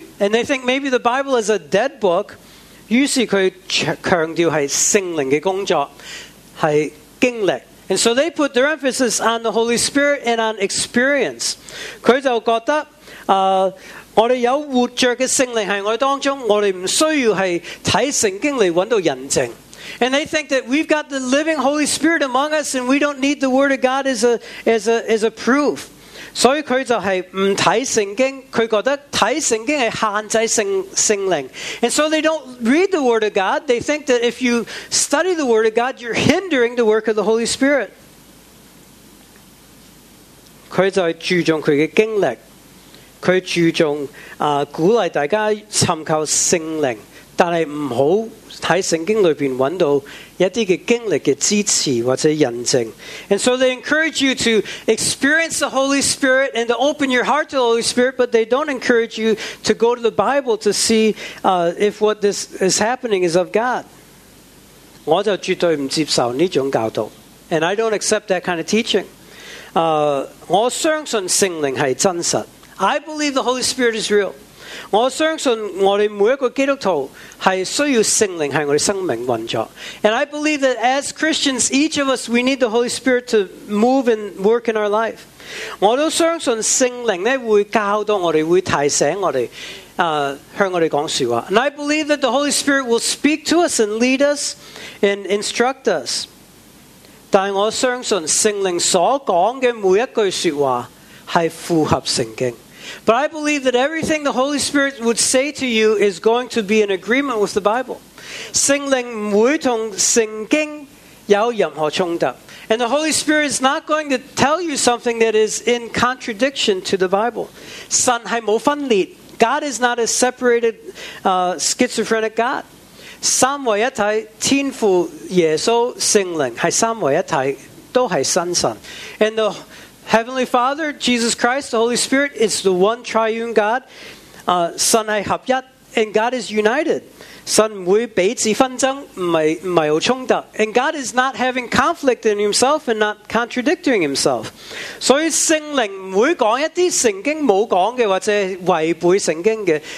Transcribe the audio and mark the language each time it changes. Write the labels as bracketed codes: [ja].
[en] and they think maybe the Bible is a dead book. [zh] 于是他强调是圣灵的工作，是经历。 [en] And so they put their emphasis on the Holy Spirit and on experience. [zh] 他就觉得，我们有活着的圣灵在我们当中，我们不需要是看圣经来找到印证。 [en] And they think that we've got the living Holy Spirit among us and we don't need the Word of God as a proof. [zh] 所以他就是不看圣经，他觉得看圣经是限制圣灵。 [en] And so they don't read the Word of God. They think that if you study the Word of God, you're hindering the work of the Holy Spirit. [zh] 他就是注重他的经历，他注重鼓励大家寻求圣灵，但是不要在圣经里面找到一些经历的支持或者印证。 [en] And so they encourage you to experience the Holy Spirit and to open your heart to the Holy Spirit, but they don't encourage you to go to the Bible to see if what this is happening is of God. [zh] 我就绝对不接受这种教导。 [en] And I don't accept that kind of teaching. [zh] 我相信圣灵是真实。 [en] I believe the Holy Spirit is real. [zh] 我相信我们每一个基督徒是需要圣灵在我们生命运作。 [en] And I believe that as Christians, each of us, we need the Holy Spirit to move and work in our life. [zh] 我都相信圣灵会教导我们，会提醒我们，向我们讲说话。 [en] And I believe that the Holy Spirit will speak to us and lead us and instruct us. [zh] 但我相信圣灵所讲的每一句说话是符合圣经。 [en] But I believe that everything the Holy Spirit would say to you is going to be in agreement with the Bible. [zh] 圣灵不会跟圣经有任何冲突。 [en] And the Holy Spirit is not going to tell you something that is in contradiction to the Bible. [zh] 神是没分裂。 [en] God is not a separated, schizophrenic God. [zh] 三位一体，天父、耶稣、圣灵是三位一体，都是三神。 [en] And the Heavenly Father, Jesus Christ, the Holy Spirit, is the one triune God. [zh] Son is 合一, [en] and God is united. [zh] Son 不会彼此纷争, 不是有冲突。 [en] And God is not having conflict in himself and not contradicting himself. [zh] 所以圣灵不会讲一些圣经没讲的或者违背圣经的。